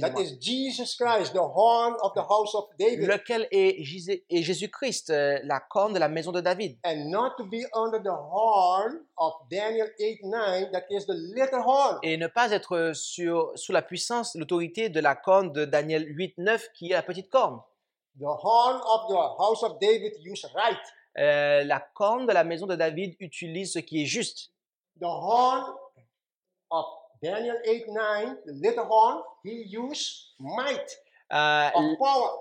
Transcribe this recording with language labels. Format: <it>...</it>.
<en>That is Jesus Christ, the horn of the house of David.</en> <fr>Lequel est Jésus-Christ, la corne de la maison de David.</fr> <en>And not to be under the horn of Daniel 8:9, that is the little horn.</en> <fr>Et ne pas être sous la puissance, l'autorité de la corne de Daniel 8:9, qui est la petite corne.</fr> <en>The horn of the house of David used right.</en> <fr>La corne de la maison de David utilise ce qui est juste.</fr> <en>The horn of Daniel 8:9, the little horn, he used might of power.</en>